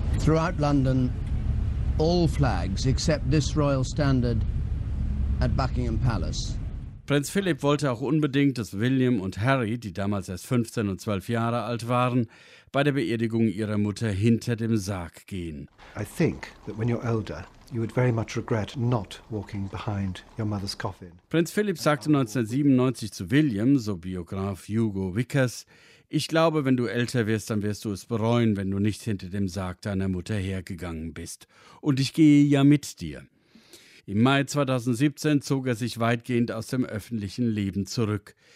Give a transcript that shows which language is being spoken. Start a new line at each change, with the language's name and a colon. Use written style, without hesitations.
English: Throughout London, all flags except this royal standard at Buckingham Palace.
German: Prinz Philipp wollte auch unbedingt, dass William und Harry, die damals erst 15 und 12 Jahre alt waren, bei der Beerdigung ihrer Mutter hinter dem Sarg gehen.
English: I think that when you're older, you would very much regret not walking behind your mother's coffin.
German: Prinz Philipp sagte 1997 zu William, so Biograf Hugo Vickers, ich glaube, wenn du älter wirst, dann wirst du es bereuen, wenn du nicht hinter dem Sarg deiner Mutter hergegangen bist. Und ich gehe ja mit dir. Im Mai 2017 zog er sich weitgehend aus dem öffentlichen Leben zurück.